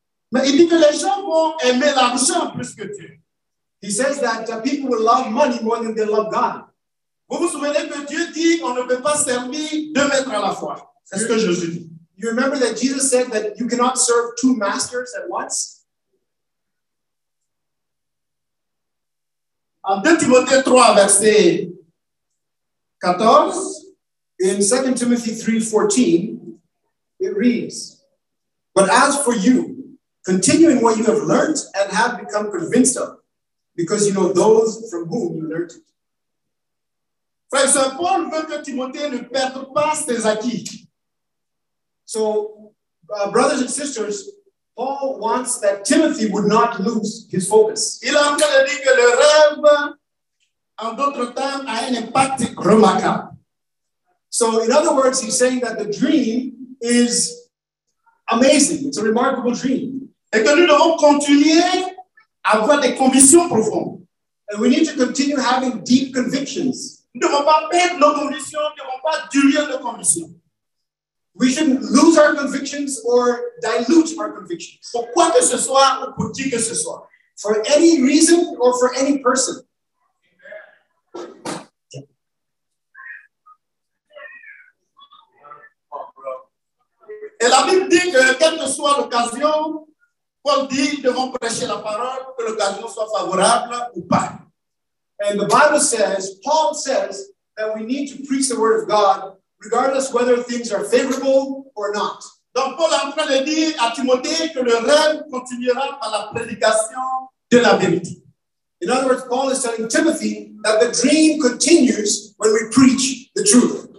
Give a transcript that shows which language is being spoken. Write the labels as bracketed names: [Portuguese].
[French] Mais il dit que les gens vont aimer l'argent plus que Dieu. [English] He says that the people will love money more than they love God. [French] Vous vous souvenez que Dieu dit on ne peut pas servir deux maîtres à la fois. C'est ce que Jésus dit. [English] You remember that Jesus said that you cannot serve two masters at once? [French] En 2 Timothée 3, verset 14, [English] in 2 Timothy 3, 14, it reads, but as for you, continue in what you have learned and have become convinced of, because you know those from whom you learned it. [French] Frère Saint Paul veut que Timothée ne perde pas ses acquis. [English] So, brothers and sisters, Paul wants that Timothy would not lose his focus. [French] Il a encore dit que le rêve, en d'autres termes, a un impact remarquable. [English] So, in other words, he's saying that the dream is amazing. It's a remarkable dream. [French] Et que nous devons continuer à avoir des convictions profondes. [English] And we need to continue having deep convictions. [French] Nous ne devons pas perdre nos convictions, nous ne devons pas diluer nos convictions. [English] We shouldn't lose our convictions or dilute our convictions. [French] Pour quoi que ce soit ou pour qui que ce soit. [English] For any reason or for any person. [French] Et la Bible dit que quelle que soit l'occasion, Paul dit, devons prêcher la parole, que l'occasion soit favorable ou pas. [English] And the Bible says, Paul says, that we need to preach the word of God regardless whether things are favorable or not. [French] Donc Paul est en train de dire à Timothée que le rêve continuera par la prédication de la vérité. [English] In other words, Paul is telling Timothy that the dream continues when we preach the truth.